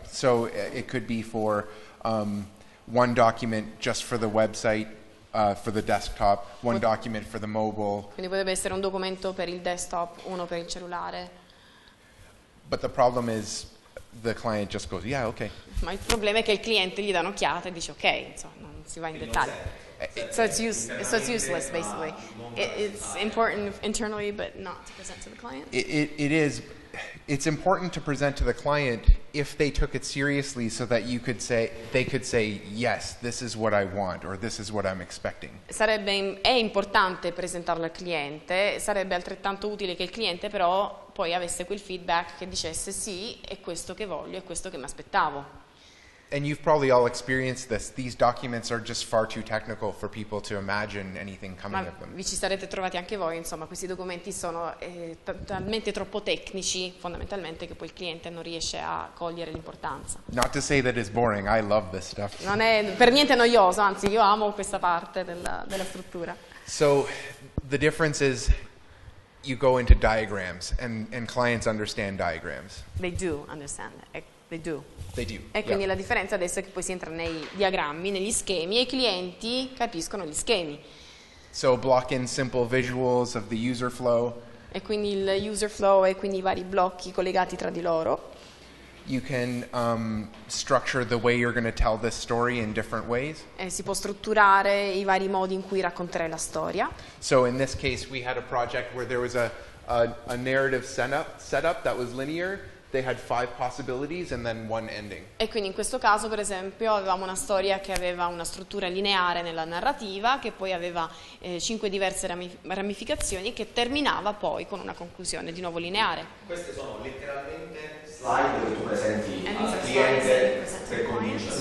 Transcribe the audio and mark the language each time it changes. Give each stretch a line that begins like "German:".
English: So it could be for one document just for the website, for the desktop, one document for the mobile.
Italian: Quindi potrebbe essere un documento per il desktop, uno per il cellulare.
English: But the problem is the client just goes, yeah, okay.
Italian: Ma il problema è che il cliente gli dà un'occhiata e dice, ok, insomma, non si va in dettaglio.
English: So it's useless, basically. It's important internally, but not to present to the client. It is. It's important to present to the client if they took it seriously so that you could say, they could say, yes, this is what I want, or this is what I'm expecting.
Italian: È importante presentarlo al cliente, sarebbe altrettanto utile che il cliente però poi avesse quel feedback che dicesse sì, è questo che voglio, è questo che mi aspettavo.
English: And you've probably all experienced this. These documents are just far too technical for people to imagine anything coming at them.
Italian: Vi ci sarete trovati anche voi, insomma, questi documenti sono talmente troppo tecnici, fondamentalmente, che poi il cliente non riesce a cogliere l'importanza.
English: Not to say that it's boring. I love this stuff.
Italian: Non è per niente noioso, anzi, io amo questa parte della struttura.
English: So, the difference is you go into diagrams, and clients understand diagrams. They do understand. They do.
Italian: E quindi la differenza adesso è che poi si entra nei diagrammi, negli schemi, e i clienti capiscono gli schemi.
English: So block in simple visuals of the user flow.
Italian: E quindi il user flow e quindi i vari blocchi collegati tra di loro.
English: You can structure the way you're going to tell this story in different ways. E si può strutturare i vari modi in cui raccontare la storia. So in this case we had a project where there was a narrative setup that was linear. They had five possibilities and then one ending.
Italian: E quindi in questo caso, per esempio, avevamo una storia che aveva una struttura lineare nella narrativa, che poi aveva cinque diverse ramificazioni, che terminava poi con una conclusione di nuovo lineare. Queste sono letteralmente slide che tu presenti al cliente per convincere.